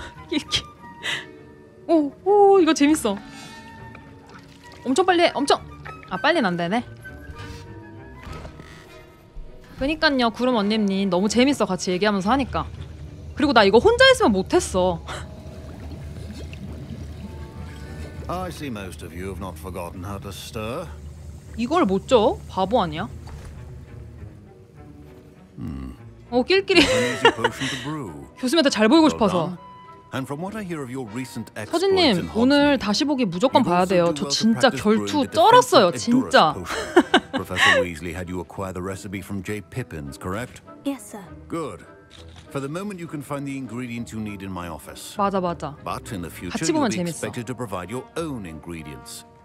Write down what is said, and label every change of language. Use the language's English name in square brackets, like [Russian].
[Korean] 이렇게. 오오 오, 이거 재밌어. 엄청 빨리 해. 엄청. 아, 빨리는 안 되네. 그니깐요 구름 언니님, 너무 재밌어 같이 얘기하면서 하니까. 그리고 나 이거 혼자 했으면 못했어. [English] I see most of you have not forgotten how to stir. [Korean] 이걸 못 줘? 바보 아니야? 오, 낄낄이. 교수님한테 잘 보이고 싶어서. [English] And from what I hear of your recent exploits, [Korean] 서진님 오늘 다시 보기 무조건 봐야 돼요. 저 진짜 결투 쩔었어요, 진짜. [English] Professor Weasley had you acquire the recipe from J. Pippin's, correct? Yes, sir. Good. For the moment, you can find the ingredients you need in my office. [Korean] 맞아, 맞아. [English] But in the future, you'll be expected to provide your own ingredients.